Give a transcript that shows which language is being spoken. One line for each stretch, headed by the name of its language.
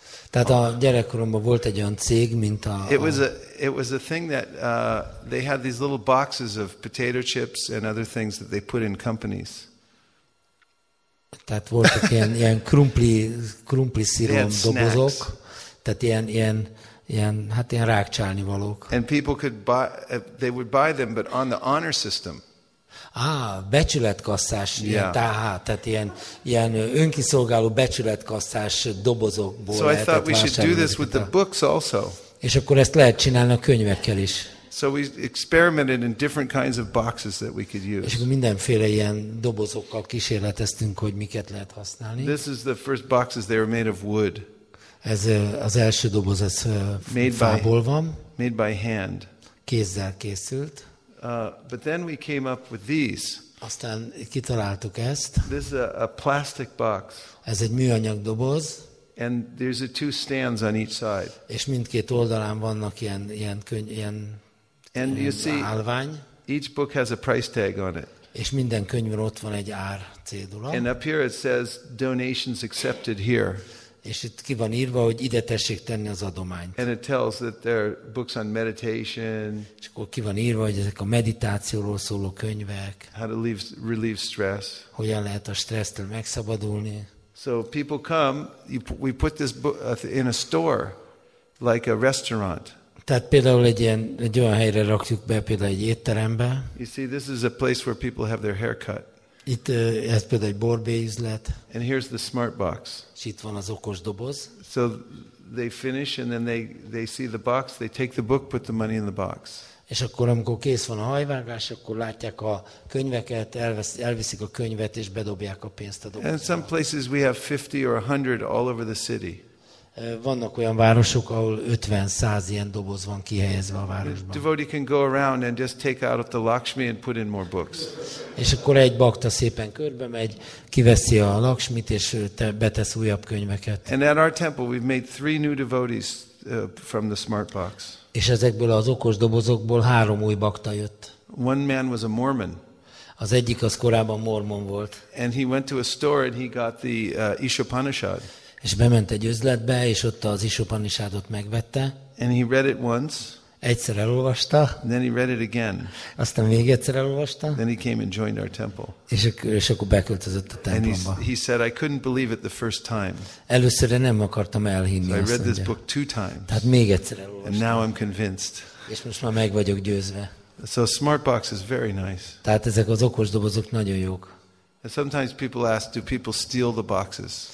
Hungarian: Tehát a gyerekkoromban volt egy olyan cég, mint a
English: it was a thing that they had these little boxes of potato chips and other things that they put in companies.
Hungarian: Tehát voltak ilyen krumpli szirom dobozok. Tehát ilyen hát ilyen rákcsálnivalók.
English: And people could buy they would buy them but on the honor system.
Hungarian: Becsületkasszás, ilyen yeah. Tehát ilyen önkiszolgáló becsületkasszás dobozokból lehetett vásárolni.
English: So I thought we should do this with the books also.
Hungarian: És akkor ezt lehet csinálni a könyvekkel is.
English: So we experimented in different kinds of boxes that we could use.
Hungarian: És akkor mindenféle ilyen dobozokkal kísérleteztünk, hogy miket lehet használni.
English: This is the first boxes, they were made of wood.
Hungarian: Ez az első doboz, ez fából van.
English: Made by hand.
Hungarian: Kézzel készült.
English: But then we came up with these.
Hungarian: Aztán kitaláltuk ezt.
English: This is a plastic box.
Hungarian: Ez egy műanyag doboz.
English: And there's two stands on each side.
Hungarian: És mindkét oldalán vannak ilyen
English: and you see,
Hungarian: állvány.
English: Each book has a price tag on it.
Hungarian: És minden könyvön ott van egy ár cédula.
English: And up here it says donations accepted here.
Hungarian: És itt ki van írva, hogy ide tessék tenni az adományt.
English: And it tells that there are books on meditation.
Hungarian: És akkor ki van írva, hogy ezek a meditációról szóló könyvek.
English: How to relieve stress.
Hungarian: Hogyan lehet a stressztől megszabadulni.
English: So people come, we put this book in a store, like a restaurant.
Hungarian: Tehát például egy olyan helyre rakjuk be, például egy étterembe.
English: You see, this is a place where people have their hair cut.
Hungarian: Itt ez például egy borbélyüzlet.
English: And here's the smart box.
Hungarian: És itt van az okos doboz.
English: So they finish and then they see the box, they take the book, put the money in the box.
Hungarian: És akkor amikor kész van a hajvágás, akkor látják a könyveket, elviszik a könyvet és bedobják a pénzt a dobozba.
English: And some places we have 50 or 100 all over the city.
Hungarian: Vannak olyan városok, ahol 50-100 ilyen doboz van kihelyezve a városban.
English: Devotee can go around and just take out the Lakshmi and put in more books.
Hungarian: És akkor egy bakta szépen körbe megy, kiveszi a Lakshmit és betesz újabb könyveket.
English: And at our temple we've made 3 new devotees from the smart box.
Hungarian: És ezekből az okos dobozokból 3 új bakta jött.
English: One man was a Mormon.
Hungarian: Az egyik az korábban mormon volt.
English: And he went to a store and he got the Ishopanishad.
Hungarian: És bement egy üzletbe, és ott az Isopanisádot megvette.
English: And he read it once.
Hungarian: Egyszer elolvasta.
English: Then he read it again.
Hungarian: Aztán még egyszer elolvasta.
English: Then he came and joined our temple.
Hungarian: És akkor beköltözött a templomba.
English: And he said, I couldn't believe it the first time.
Hungarian: Először nem akartam elhinni.
English: So I read this book 2 times.
Hungarian: Tehát még egyszer elolvasta.
English: And now I'm convinced.
Hungarian: És most már meg vagyok győzve.
English: So smart box is very nice.
Hungarian: Tehát ezek az okos dobozok nagyon jók.
English: And sometimes people ask, do people steal the boxes?